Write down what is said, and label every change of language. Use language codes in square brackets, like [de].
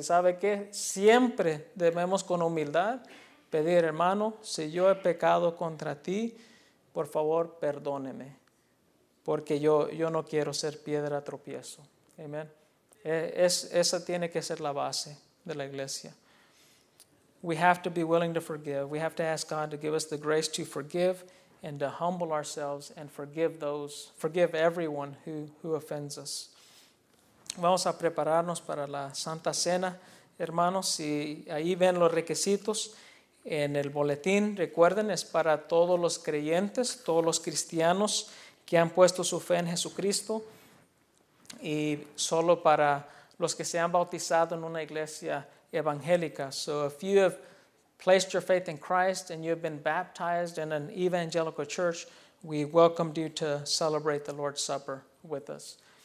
[es] Y sabe que siempre debemos con humildad pedir, hermano, si yo he pecado contra ti, por favor perdóneme, porque yo no quiero ser piedra tropiezo. Amén. Esa tiene que ser la base de la iglesia. [en] We have to be willing to forgive. We have to ask God to give us the grace to forgive and to humble ourselves and forgive everyone who offends us. [es] Vamos a prepararnos para la Santa Cena, hermanos. Si ahí ven los requisitos en el boletín, recuerden, es para todos los creyentes, todos los cristianos que han puesto su fe en Jesucristo, y solo para los que se han bautizado en una iglesia evangélica. [en] So if you have placed your faith in Christ and you have been baptized in an evangelical church, we welcome you to celebrate the Lord's Supper with us.